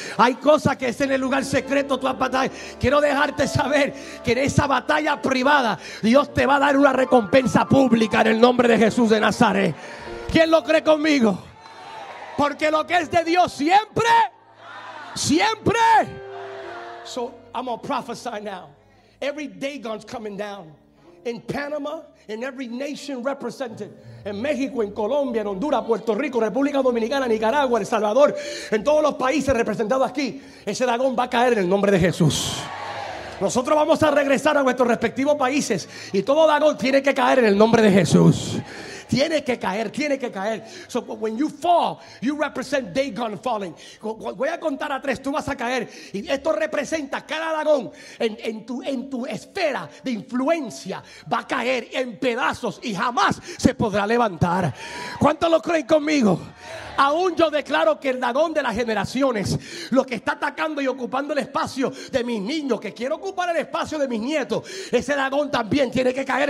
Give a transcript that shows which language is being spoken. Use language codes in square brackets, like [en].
[es] Hay cosas que es en el lugar secreto, tú has batallado. Quiero dejarte saber que en esa batalla privada, Dios te va a dar una recompensa pública en el nombre de Jesús de Nazaret. ¿Quién lo cree conmigo? Porque lo que es de Dios siempre, siempre. [en] So, I'm going to prophesy now. Every Dagon's coming down. in Panama, in every nation represented. [es] En México, en Colombia, en Honduras, Puerto Rico, República Dominicana, Nicaragua, El Salvador, en todos los países representados aquí, ese dragón va a caer en el nombre de Jesús. Nosotros vamos a regresar a nuestros respectivos países y todo dragón tiene que caer en el nombre de Jesús. Tiene que caer, tiene que caer. [en] So when you fall, you represent Dagon falling. [es] Voy a contar a tres, tú vas a caer. Y esto representa cada dragón en tu esfera de influencia. Va a caer en pedazos y jamás se podrá levantar. ¿Cuántos lo creen conmigo? Aún yo declaro que el dragón de las generaciones, lo que está atacando y ocupando el espacio de mis niños, que quiero ocupar el espacio de mis nietos, ese dragón también tiene que caer.